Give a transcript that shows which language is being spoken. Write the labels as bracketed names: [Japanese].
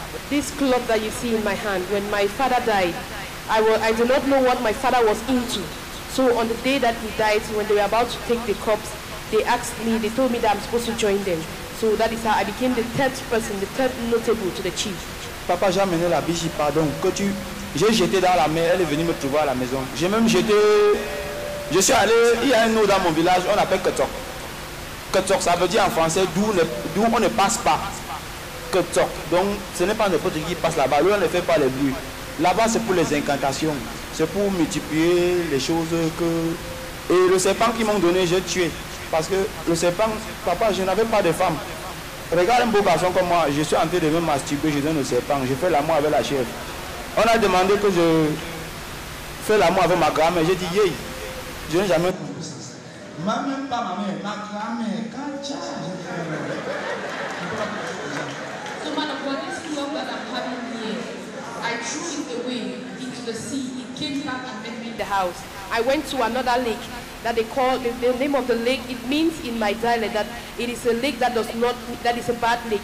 [English] This cloth that you see in my hand, when my father died, I do not know what my father was into. So on the day that he died, when they were about to take the cups, they asked me, they told me that I'm supposed to join them. So that is how I became the third person, the third notable to the chief. [French] Papa, j'ai amené la bijou, pardon, que tu... J'ai jeté dans la mer, elle est venue me trouver à la maison. J'ai même jeté... Je suis allé, il y a un eau dans mon village, on appelle Ketok. Ketok, ça veut dire en français, d'où on ne passe pas. Ketok. Donc, ce n'est pas n'importe qui passe là-bas. Lui, on ne fait pas les bruits. Là-bas, c'est pour les incantations. C'est pour multiplier les choses que... Et le serpent qu'ils m'ont donné, j'ai tué. Parce que le serpent, papa, je n'avais pas de femme. Regarde un beau garçon comme moi, je suis en train de me masturber, je donne le serpent, je fais l'amour avec la chèvre. On a demandé que je fasse l'amour avec ma grand-mère. J'ai dit, yeah, je n'ai jamais. Même pas ma mère, ma grand-mère, quand tu as. [English] So, madam, what is the love that I'm having here? I threw it away into the sea. It came back and met me in the house. I went to another lake that they call the name of the lake. It means in my dialect that it is a lake that does not, that is a bad lake.